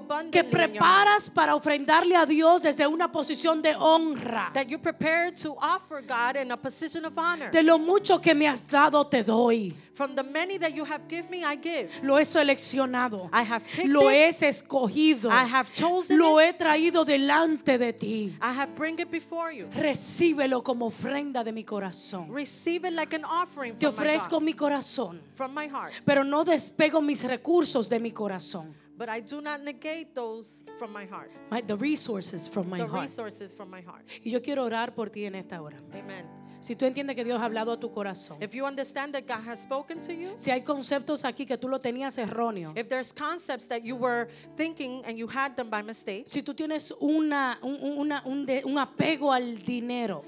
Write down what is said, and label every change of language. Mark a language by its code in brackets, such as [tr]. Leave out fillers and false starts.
[es] Que preparas para ofrendarle a Dios desde una posición de honra. [en] To offer God in a position of honor. [es] De lo mucho que me has dado te doy. [en] From the many that you have given me, I give. [es] Lo he seleccionado. [en] I have picked [es] lo [en] it. [es] He escogido. [en] I have chosen [es] lo [en] it. [es] He traído delante de ti. [en] I have bring it before you. [es] Recíbelo como ofrenda de mi corazón. [en] Receive it like an offering [es] te ofrezco mi corazón. [en] From my heart. [es] Pero no despego mis recursos de mi corazón. [en] But I do not negate those from my heart. The resources from my heart. [es] Y yo quiero orar por ti en esta hora. Amen. Si tú entiendes que Dios ha hablado a tu corazón. [en] If you understand that God has spoken to you. [es] Si hay conceptos aquí que tú lo tenías erróneo. [en] If there's concepts that you were thinking and you had them by mistake. [es] Si tú tienes un apego al dinero.